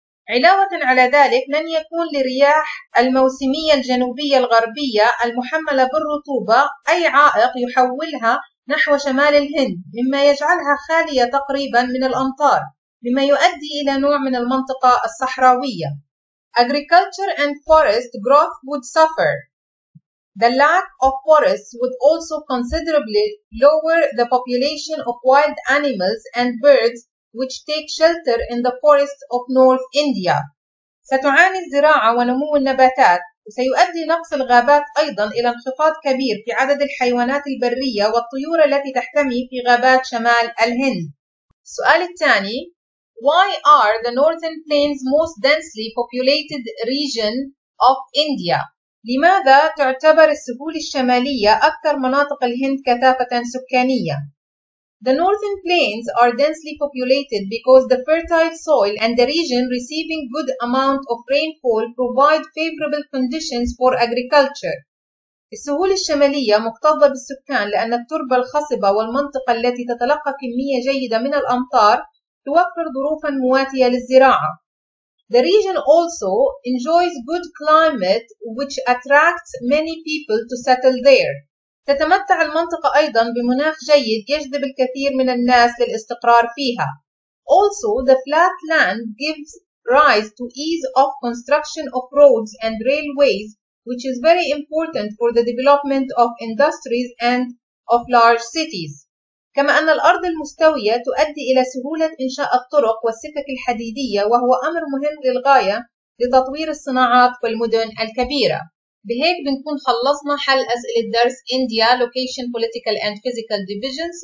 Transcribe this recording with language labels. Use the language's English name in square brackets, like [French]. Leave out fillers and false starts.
[Arabic] علاوة على ذلك، لن يكون لرياح الموسمية الجنوبية الغربية المحملة بالرطوبة أي عائق يحولها نحو شمال الهند، مما يجعلها خالية تقريبا من الأمطار، مما يؤدي إلى نوع من المنطقة الصحراوية. [English] Agriculture and forest growth would suffer. The lack of forests would also considerably lower the population of wild animals and birds which take shelter in the forests of North India. [Arabic] ستعاني الزراعة ونمو النباتات، وسيؤدي نقص الغابات أيضاً إلى انخفاض كبير في عدد الحيوانات البرية والطيور التي تحتمي في غابات شمال الهند. السؤال الثاني: [English] Why are the northern plains most densely populated region of India? [Arabic] لماذا تعتبر السهول الشمالية أكثر مناطق الهند كثافة سكانية؟ [English] The northern plains are densely populated because the fertile soil and the region receiving good amount of rainfall provide favorable conditions for agriculture. [Arabic] السهول الشمالية مكتظة بالسكان لأن التربة الخصبة والمنطقة التي تتلقى كمية جيدة من الأمطار توفر ظروفاً مواتية للزراعة. [English] The region also enjoys good climate which attracts many people to settle there. [Arabic] تتمتع المنطقة أيضاً بمناخ جيد يجذب الكثير من الناس للاستقرار فيها. [English] Also, the flat land gives rise to ease of construction of roads and railways which is very important for the development of industries and of large cities. [Arabic] كما أن الأرض المستوية تؤدي إلى سهولة إنشاء الطرق والسكك الحديدية، وهو أمر مهم للغاية لتطوير الصناعات والمدن الكبيرة. بهيك بنكون خلصنا حل أسئلة درس India Location Political and Physical Divisions.